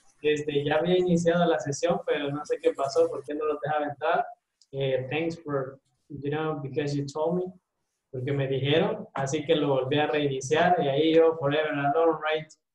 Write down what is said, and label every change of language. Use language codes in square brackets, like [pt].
[es] Ya había iniciado la sesión, pero no sé qué pasó, por qué no lo dejaba entrar. [en] Thanks for, you know, because you told me. [es] Porque me dijeron, así que lo volví a reiniciar y ahí yo, [en] forever alone, right?